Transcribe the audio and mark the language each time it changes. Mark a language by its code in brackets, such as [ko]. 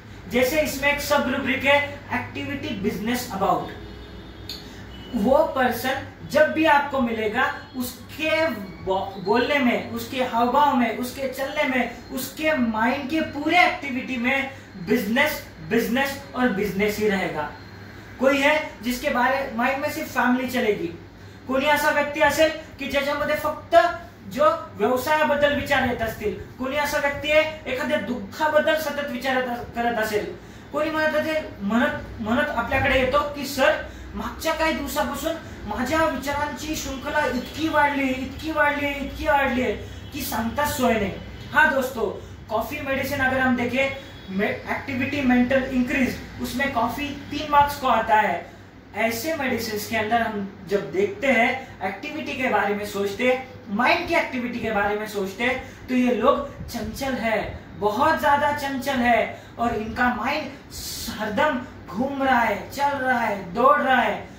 [hi] जैसे इसमें एक सब रूब्रिक है एक्टिविटी बिजनेस अबाउट, वो पर्सन जब भी आपको मिलेगा उसके बोलने में, उसके हावभाव में, उसके चलने में, उसके माइंड के पूरे एक्टिविटी में बिजनेस, बिजनेस और बिजनेस ही रहेगा। कोई है जिसके बारे माइंड में सिर्फ फैमिली चलेगी, [mr] कोणी असा व्यक्ती असेल कि ज्याच्यामध्ये फक्त जो व्यवसायाबद्दल विचार येत असतील, कोणी असा व्यक्ती आहे एखाद्या दुःखाबद्दल सतत विचार करत असेल, कोणी म्हणत आपल्याकडे येतो की सर मागच्या काही दिवसापासून माझ्या विचारांची शृंखला इतकी वाढली आहे की सांगता सोय नाही। [hi] हा दोस्तो, कॉफी मेडिसिन अगर हम देखे, एक्टिविटी मेंटल इंक्रीज, उसमें कॉफी 3 मार्क्स को आता है। ऐसे मेडिसिन के अंदर हम जब देखते हैं, एक्टिविटी के बारे में सोचते, माइंड की एक्टिविटी के बारे में सोचते, तो ये लोग चंचल है, बहुत ज्यादा चंचल है और इनका माइंड हरदम घूम रहा है, चल रहा है, दौड़ रहा है।